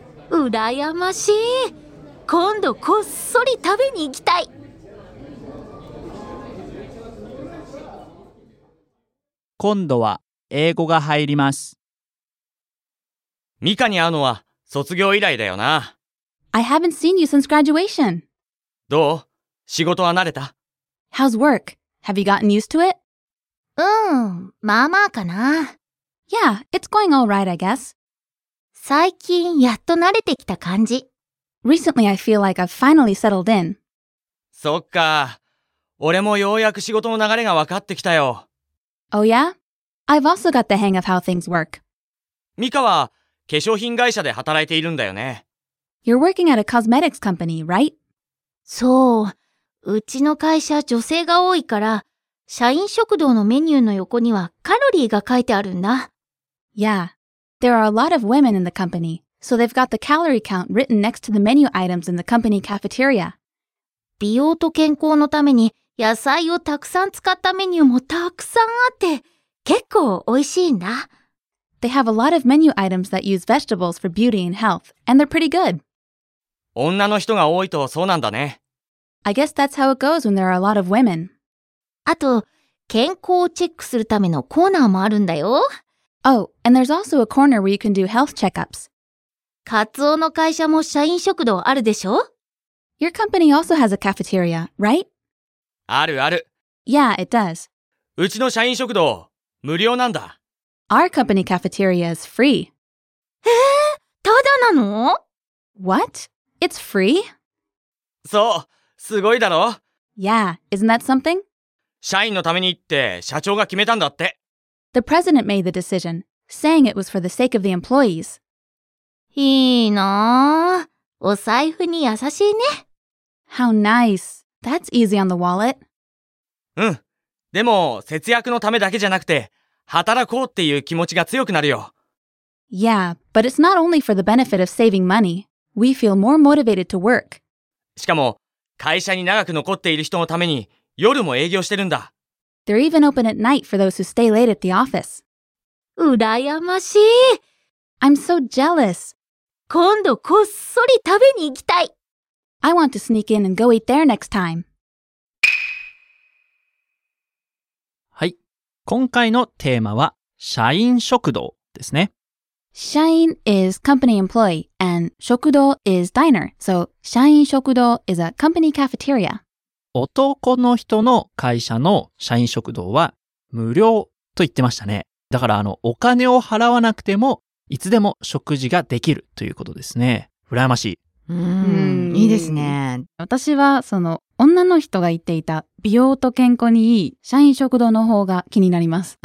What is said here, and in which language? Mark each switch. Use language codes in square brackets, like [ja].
[ja] 羨ましい。今度こっそり食べに行きたい。今度は英語が入ります。ミカに会うのは卒業以来だよな。 [en] I haven't seen you since graduation. [ja] どう？仕事は慣れた？ [en] How's work? Have you gotten used to it? [ja] うん、まあまあかな。 [en] Yeah, it's going all right, I guess. [ja] 最近やっと慣れてきた感じ。 [en] Recently, I feel like I've finally settled in. [ja] そっか。俺もようやく仕事の流れが分かってきたよ。 [en] Oh yeah? I've also got the hang of how things work. [ja] ミカは化粧品会社で働いているんだよね。 [en] You're working at a cosmetics company, right? [ja] そう。うちの会社女性が多いから、社員食堂のメニューの横にはカロリーが書いてあるんだ。 [en] Yeah, there are a lot of women in the company, so they've got the calorie count written next to the menu items in the company cafeteria. [ja] 美容と健康のために野菜をたくさん使ったメニューもたくさんあって、結構美味しいんだ。 [en] They have a lot of menu items that use vegetables for beauty and health, and they're pretty good. [ja] 女の人が多いとそうなんだね。 [en] I guess that's how it goes when there are a lot of women. [ja] あと、健康をチェックするためのコーナーもあるんだよ。 [en] Oh, and there's also a corner where you can do health checkups. [ja] カツオの会社も社員食堂あるでしょ？ [en] Your company also has a cafeteria, right? [ja] あるある。 [en] Yeah, it does. [ja] うちの社員食堂、無料なんだ。 [en] Our company cafeteria is free. [ja] ただなの？ [en] What? It's free? [ja] そう。すごいだろ。 [en] Yeah, isn't that something? [ja] 社員のためにって社長が決めたんだって。 [en] The president made the decision, saying it was for the sake of the employees. [ja] いいなぁ。お財布に優しいね。 [en] How nice. That's easy on the wallet. [ja] うん。でも、節約のためだけじゃなくて、働こうっていう気持ちが強くなるよ。 [en] Yeah, but it's not only for the benefit of saving money. We feel more motivated to work. [ja] しかも、会社に長く残っている人のために、夜も営業してるんだ。 [en] They're even open at night for those who stay late at the office. [ja] 羨ましい。 [en] I'm so jealous. [ja] 今度こっそり食べに行きたい。 [en] I want to sneak in and go eat there next time. [ja] はい。今回のテーマは、社員食堂ですね。 [en] 社員 is company employee and 食堂 is diner. So, 社員食堂 is a company cafeteria. [ja] 男の人の会社の社員食堂は無料と言ってましたね。だからお金を払わなくてもいつでも食事ができるということですね。羨ましい。いいですね。私はその女の人が言っていた美容と健康にいい社員食堂の方が気になります。